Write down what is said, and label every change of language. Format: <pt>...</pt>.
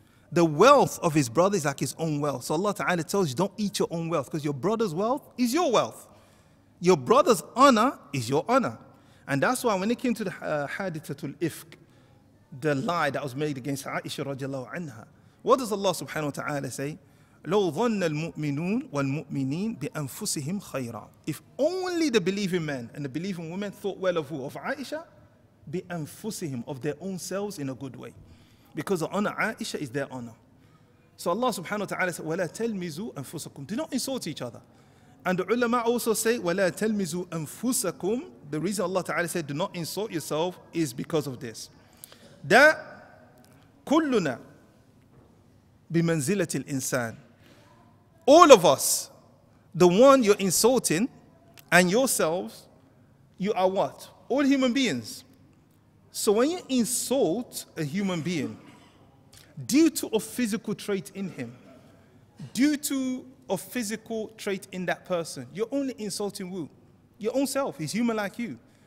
<en>The wealth of his brother is like his own wealth. So Allah ta'ala tells you, don't eat your own wealth, because your brother's wealth is your wealth. Your brother's honor is your honor. And that's why when it came to the hadithatul ifk, the lie that was made against Aisha radiallahu anha, what does Allah subhanahu wa ta'ala say?</en> <ar>لو ظن المؤمنون والمؤمنين بأنفسهم خيرا.</ar> <en>If only the believing men and the believing women thought well of who? Of Aisha?</en> <ar>بأنفسهم,</ar> <en>of their own selves in a good way. Because the honor Aisha is their honor. So Allah subhanahu wa ta'ala said,</en> <ar>وَلَا تَلْمِزُوا أَنفُسَكُمْ.</ar> <en>Do not insult each other. And the ulama also say,</en> <ar>وَلَا تَلْمِزُوا أَنفُسَكُمْ.</ar> <en>The reason Allah ta'ala said, do not insult yourself, is because of this. That</en> <ar>كلنا بمنزلة الإنسان.</ar> <en>All of us, the one you're insulting, and yourselves, you are what? All human beings. So when you insult a human being, due to a physical trait in him, due to a physical trait in that person, you're only insulting who? Your own self. He's human like you.</en>